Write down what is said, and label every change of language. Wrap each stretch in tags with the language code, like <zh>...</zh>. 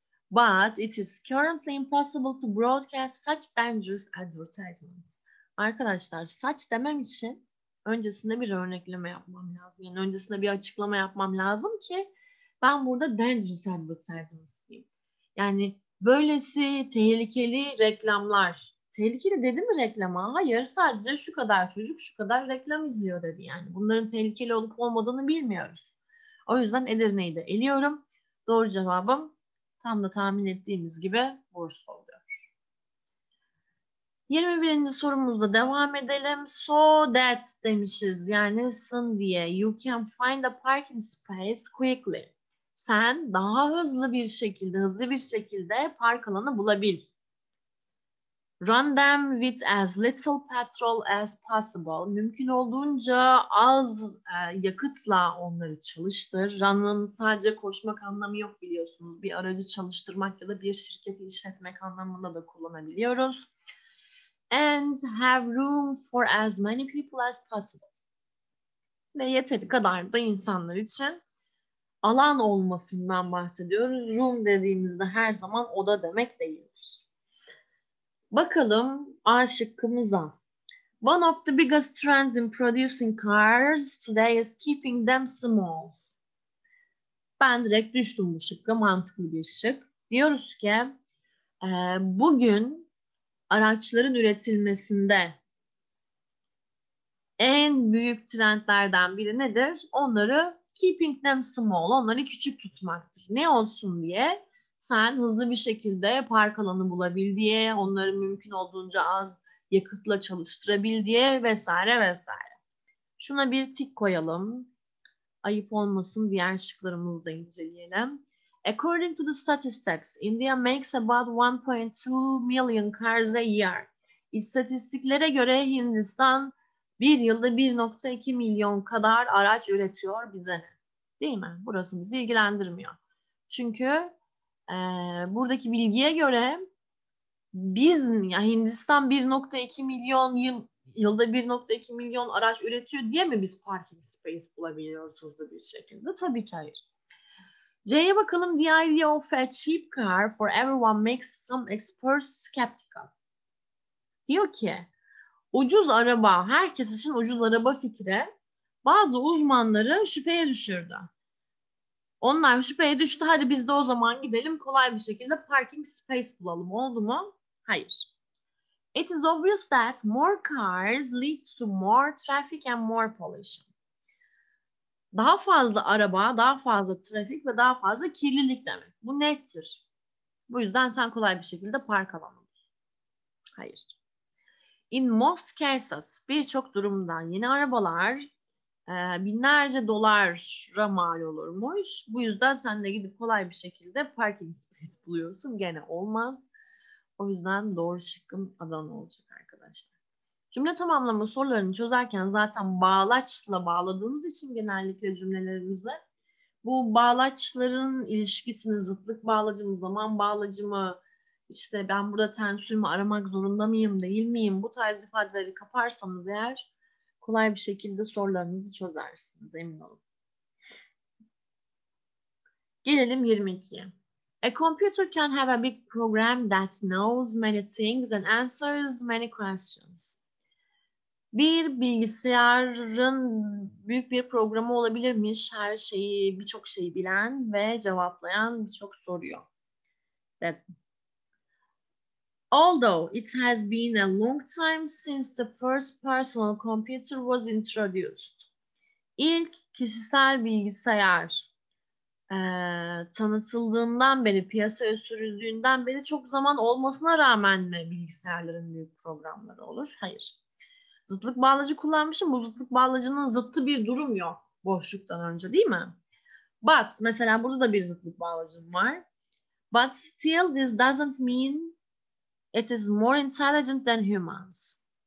<en>But it is currently impossible to broadcast such dangerous advertisements.</en> <tr>Arkadaşlar saç demem için öncesinde bir örnekleme yapmam lazım. Yani öncesinde bir açıklama yapmam lazım ki ben burada</tr> <en>dangerous advertisements</en> <tr>diyeyim. Yani böylesi tehlikeli reklamlar. Tehlikeli dedi mi reklama? Hayır, sadece şu kadar çocuk şu kadar reklam izliyor dedi. Yani bunların tehlikeli olup olmadığını bilmiyoruz. O yüzden Edirne'yi de eliyorum. Doğru cevabım tam da tahmin ettiğimiz gibi Bursa oluyor. 21. sorumuzla devam edelim.</tr> <en>So that</en> <tr>demişiz. Yani sın diye.</tr> <en>You can find a parking space quickly.</en> <tr>Sen daha hızlı bir şekilde park alanı bulabil.</tr> <en>Run them with as little petrol as possible.</en> <tr>Mümkün olduğunca az yakıtla onları çalıştır. Run'ın sadece koşmak anlamı yok biliyorsunuz. Bir aracı çalıştırmak ya da bir şirketi işletmek anlamında da kullanabiliyoruz.</tr> <en>And have room for as many people as possible.</en> <tr>Ve yeteri kadar da insanlar için alan olmasından bahsediyoruz. Room dediğimizde her zaman oda demek değildir. Bakalım A şıkkımıza.</tr> <en>One of the biggest trends in producing cars today is keeping them small.</en> <tr>Ben direkt düştüm bu şıkkı. Mantıklı bir şık. Diyoruz ki bugün araçların üretilmesinde en büyük trendlerden biri nedir? Onları</tr> <en>keeping them small,</en> <tr>onları küçük tutmaktır. Ne olsun diye? Sen hızlı bir şekilde park alanı bulabil diye, onları mümkün olduğunca az yakıtla çalıştırabil diye vesaire vesaire. Şuna bir tik koyalım. Ayıp olmasın, diğer şıklarımızı da inceleyelim.</tr> <en>According to the statistics, India makes about 1.2 million cars a year.</en> <tr>İstatistiklere göre Hindistan bir yılda 1.2 milyon kadar araç üretiyor bize. Değil mi? Burası bizi ilgilendirmiyor. Çünkü buradaki bilgiye göre biz, ya yani Hindistan 1.2 milyon yılda 1.2 milyon araç üretiyor diye mi biz parking space bulabiliyoruz hızlı bir şekilde? Tabii ki hayır. C'ye bakalım.</tr> <en>The idea of a cheap car for everyone makes some experts skeptical.</en> <tr>Diyor ki ucuz araba, herkes için ucuz araba fikri bazı uzmanları şüpheye düşürdü. Onlar şüpheye düştü. Hadi biz de o zaman gidelim kolay bir şekilde parking space bulalım. Oldu mu? Hayır.</tr> <en>It is obvious that more cars lead to more traffic and more pollution.</en> <tr>Daha fazla araba, daha fazla trafik ve daha fazla kirlilik demek. Bu nettir. Bu yüzden sen kolay bir şekilde park alamadın. Hayır.</tr> <en>In most cases,</en> <tr>birçok durumda yeni arabalar binlerce dolara mal olurmuş. Bu yüzden sen de gidip kolay bir şekilde parking space buluyorsun. Gene olmaz. O yüzden doğru şıkkım Adana olacak arkadaşlar. Cümle tamamlama sorularını çözerken zaten bağlaçla bağladığımız için genellikle cümlelerimizi bu bağlaçların ilişkisini, zıtlık bağlacı mı, zaman bağlacı mı, işte ben burada tensörümü aramak zorunda mıyım, değil miyim, bu tarz ifadeleri kaparsanız eğer kolay bir şekilde sorularınızı çözersiniz, emin olun. Gelelim 22'ye.</tr> <en>A computer can have a big program that knows many things and answers many questions.</en> <tr>Bir bilgisayarın büyük bir programı olabilirmiş, her şeyi, birçok şeyi bilen ve cevaplayan birçok soruyor. Dedim.</tr> <en>Although it has been a long time since the first personal computer was introduced.</en> <tr>İlk kişisel bilgisayar tanıtıldığından beri, piyasaya sürüldüğünden beri çok zaman olmasına rağmen mi bilgisayarların büyük programları olur? Hayır. Zıtlık bağlacı kullanmışım. Bu zıtlık bağlacının zıttı bir durum yok boşluktan önce, değil mi? But mesela burada da bir zıtlık bağlacım var.</tr> <en>But still this doesn't mean it is more intelligent than humans.</en>